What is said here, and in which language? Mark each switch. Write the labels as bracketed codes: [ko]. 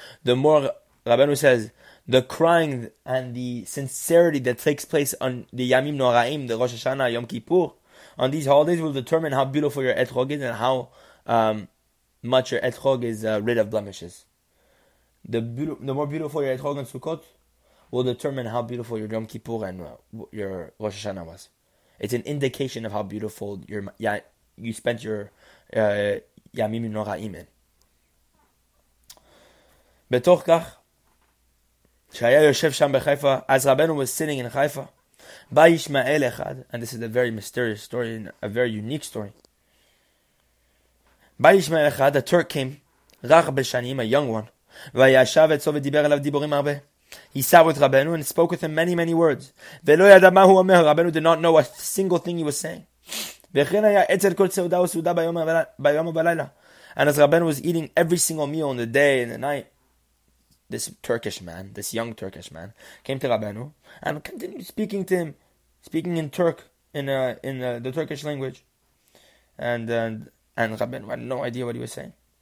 [en] The more, Rabbeinu says, the crying and the sincerity that takes place on the Yamim Noraim, the Rosh Hashanah, Yom Kippur, on these holidays will determine how beautiful your etrog is and how much your etrog is rid of blemishes. The more beautiful your etrog on Sukkot will determine how beautiful your Yom Kippur and your Rosh Hashanah was. It's an indication of how beautiful you spent your Yamim Noraim in. [he] בתוך כך, שהיה יושב שם בחיפה, אז רבנו [en] was sitting in חיפה, [he] בא ישמעאל אחד, [en] and this is a very mysterious story, a very unique story. [he] בא ישמעאל אחד, [en] a Turk came, [he] רך בשנים, [en] a young one, [he] וישב אצלו ודיבר עליו דיבורים הרבה. [en] He sat with רבנו and spoke with him many, many words. [he] ולא ידע מה הוא אומר, [en] רבנו did not know a single thing he was saying. [he] וכן היה אצל כל צעודה וסעודה ביום ובלילה. [en] And as רבנו was eating every single meal in the day and the night, this Turkish man, this young Turkish man, came to Rabbeinu and continued speaking to him, speaking in Turk, in the Turkish language. And Rabbeinu had no idea what he was saying.